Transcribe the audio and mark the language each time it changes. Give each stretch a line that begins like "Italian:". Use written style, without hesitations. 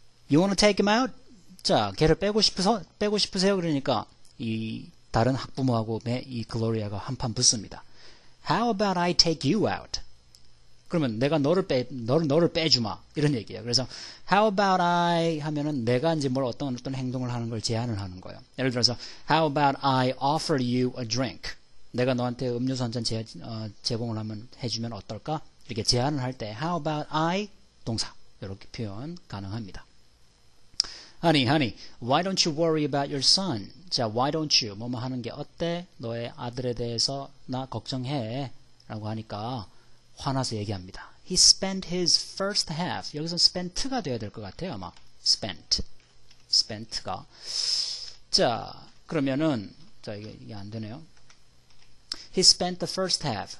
English: You wanna take him out?
Korean: 자, 걔를 빼고 싶으세요? 그러니까 이 다른 학부모하고 이 글로리아가 한판 붙습니다.
English: How about I take you out?
Korean: 그러면 내가 너를 빼주마. 이런 얘기예요. 그래서 How about I 하면은 내가 이제 뭘 어떤 행동을 하는 걸 제안을 하는 거예요.
English: 예를 들어서 How about I offer you a drink?
Korean: 내가 너한테 음료수 한잔 제공을 하면 해주면 어떨까? 이렇게 제안을 할때 How about I 동사 이렇게 표현 가능합니다.
English: Honey, honey, why don't you worry about your son? 자, why don't you?
Korean: 뭐뭐 하는 게 어때? 너의 아들에 대해서 나 걱정해. 라고 하니까, 화나서 얘기합니다.
English: He spent his first half.
Korean: 여기서 spent가 돼야 될 것 같아요. 아마 spent. spent가. 자, 그러면은 자, 이게 안 되네요.
English: He spent the first half.